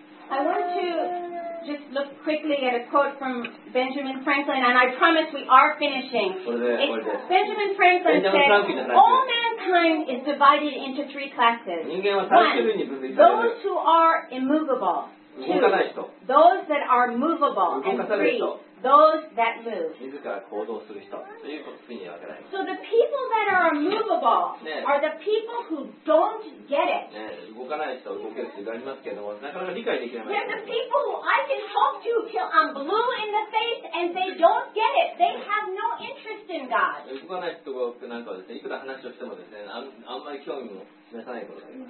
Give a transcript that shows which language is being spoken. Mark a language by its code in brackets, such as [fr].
[en] I want to just look quickly at a quote from Benjamin Franklin, and I promise we are finishing. Benjamin Franklin said, all mankind is divided into three classes. One, those who are immovable. [ja] 動かない人、 [en] those that are movable and free, those that move. [ja] 自ら行動する人ということに分けられます。 [en] So the people that are immovable are the people who don't get it. [ja] 動かない人は動ける人がありますけども、なかなか理解できない。 [en] They're the people who I can talk to till I'm blue in the face and they don't get it. They have no interest in God. [ja] 動かない人なんかはですね、いくら話をしてもですね、あんまり興味も示さないことがあります。